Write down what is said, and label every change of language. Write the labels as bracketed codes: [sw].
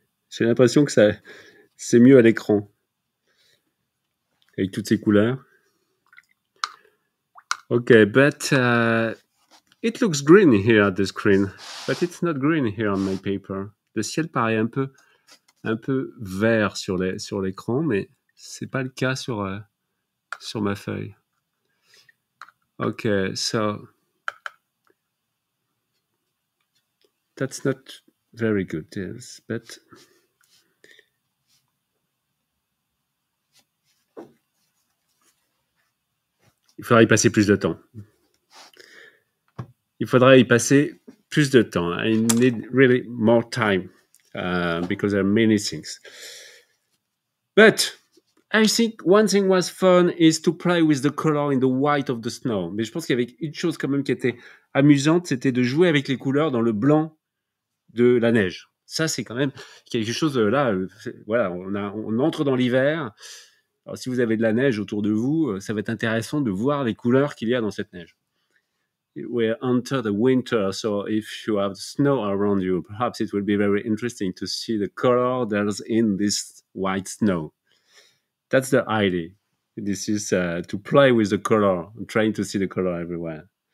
[fr] J'ai l'impression que ça c'est mieux à l'écran. Avec toutes ces couleurs. [en] OK, but it looks green here at the screen, but it's not green here on my paper. [fr] Le ciel paraît un peu vert sur l'écran, mais c'est pas le cas sur ma feuille. [en] OK, so that's not very good, yes, but [fr] il faudrait y passer plus de temps. Il faudrait y passer plus de temps. [en] I need really more time because there are many things. But I think one thing was fun is to play with the color in the white of the snow. [fr] Mais je pense qu'il y avait une chose quand même qui était amusante, c'était de jouer avec les couleurs dans le blanc de la neige. Ça, c'est quand même quelque chose de là. Voilà, on entre dans l'hiver. Alors, si vous avez de la neige autour de vous, ça va être intéressant de voir les couleurs qu'il y a dans cette neige. [en] We enter the winter, so if you have snow around you, perhaps it will be very interesting to see the color that's in this white snow. That's the idea. This is to play with the color, trying to see the color everywhere.